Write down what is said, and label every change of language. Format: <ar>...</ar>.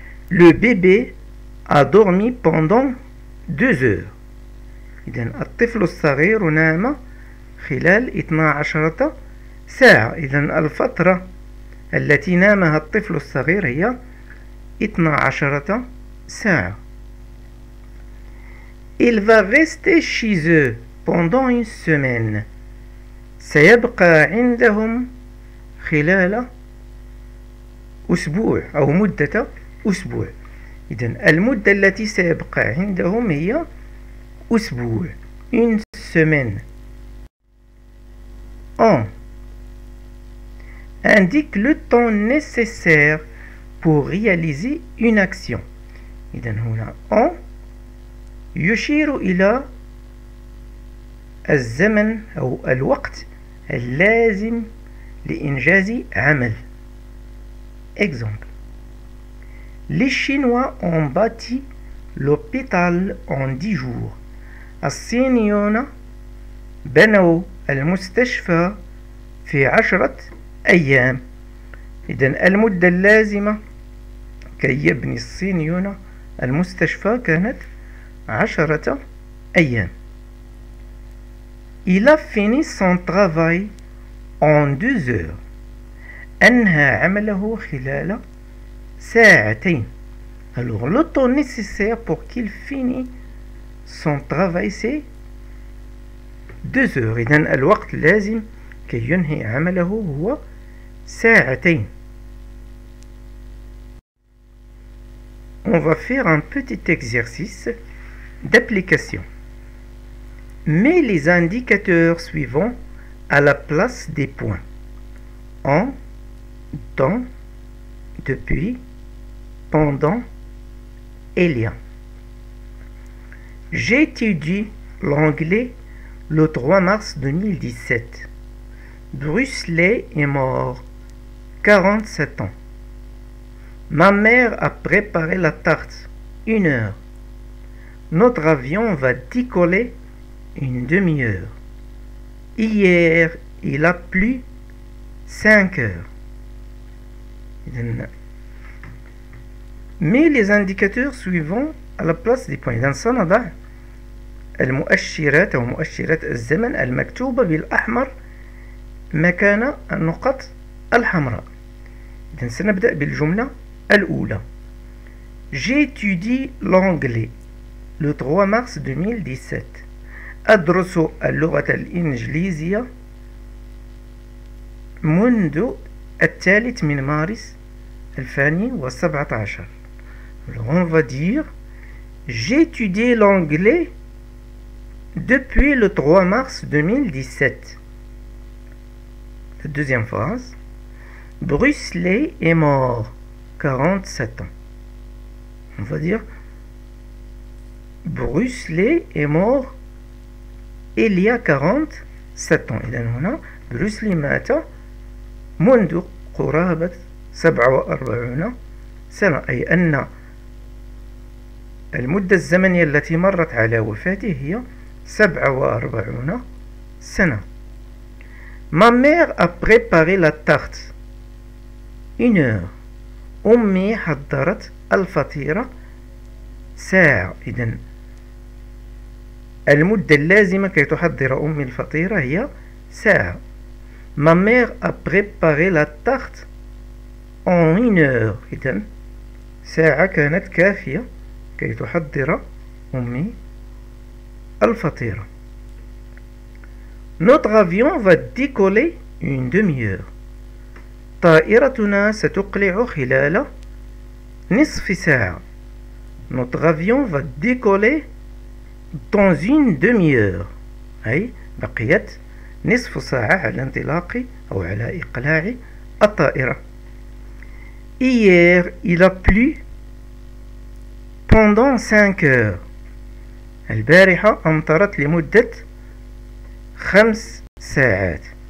<fr>Le bébé a dormi pendant 2 heures.</fr> <ar>إذن الطفل الصغير نام خلال 12 ساعة. إذن الفترة التي نامها الطفل الصغير هي 12 ساعة.</ar> <fr>Il va rester chez eux pendant une semaine.</fr> <ar>سيبقى عندهم خلال أسبوع أو مدة أسبوع. إذن المدة التي سيبقى عندهم هي أسبوع.</ar> <fr>Une semaine. Un. Indique le temps nécessaire pour réaliser une action.</fr> <ar>إذن هنا un. يشير إلى الزمن أو الوقت اللازم لإنجاز عمل.</ar> <en>Example.</en> <fr>Les Chinois ont bâti l'hôpital en 10 jours.</fr> <ar>الصينيون بنوا المستشفى في 10 أيام. إذن المدة اللازمة كي يبني الصينيون المستشفى كانت 10 أيام.</ar> <fr>Il a fini son travail en 2 heures.</fr> <ar>أنهى عمله خلال ساعتين.</ar> <fr>Alors, le temps nécessaire pour qu'il finisse son travail, c'est 2 heures.</fr> <ar>إذن الوقت اللازم كي ينهي عمله هو ساعتين.</ar> <fr>On va faire un petit exercice d'application. Mets les indicateurs suivants à la place des points. En, dans, depuis, pendant et lien. J'étudie l'anglais le 3 mars 2017. Bruce Lee est mort, 47 ans. Ma mère a préparé la tarte, 1 heure. Notre avion va décoller une demi-heure. Hier, il a plu 5 heures. Mets les indicateurs suivants à la place des points.</fr> <ar>Dans صنع المؤشرات أو مؤشرات الزمن المكتوبة بالأحمر مكان النقط الحمراء. سنبدأ بالجملة الأولى.</ar> <fr>J'étudie l'anglais. Le 3 mars 2017.</fr> <ar>أدرس اللغة الإنجليزية منذ 3 مارس 2017.</ar> <fr>Alors on va dire j'étudie l'anglais depuis le 3 mars 2017. La deuxième phrase. Bruce Lee est mort, 47 ans. On va dire Bruce Lee est mort il y a 47 ans. Et donc là,</fr> <ar>Bruce Lee مات منذ قرابة 47 سنة. أي أن المدة الزمنية التي مرت على وفاته هي 47 سنة.</ar> <fr>Ma mère a préparé la tarte. Une heure.</fr> <ar>أمي حضرت الفطيرة ساعة. إذن المدة اللازمة كي تحضر أمي الفطيرة هي ساعة.</ar> <fr>Ma mère a préparé la tarte en 1 heure.</fr> <ar>إذن ساعة كانت كافية كي تحضر أمي الفطيرة.</ar> <fr>Notre avion va décoller une demi-heure.</fr> <ar>طائرتنا ستقلع خلال نصف ساعة.</ar> <fr>Notre avion va décoller dans une demi-heure.</fr> <ar>أي بقيت نصف ساعة على انطلاق أو على إقلاع الطائرة.</ar> <fr>Hier, il a plu pendant 5 heures.</fr> <ar>البارحة أمطرت لمدة 5 ساعات.</ar>